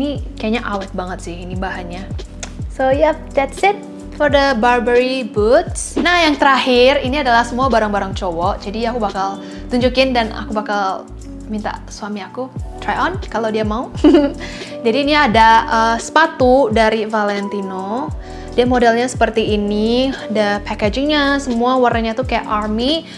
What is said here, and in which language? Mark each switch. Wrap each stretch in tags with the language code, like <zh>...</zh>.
<id>Ini kayaknya awet banget sih ini bahannya.</id> <en>So, yup, that's it for the Burberry boots.</en> <id>Nah, yang terakhir, ini adalah semua barang-barang cowok. Jadi, aku bakal tunjukin dan aku bakal minta suami aku try on kalau dia mau. Jadi, ini ada sepatu dari Valentino. Dia modelnya seperti ini, the packagingnya semua warnanya tuh kayak army.</id>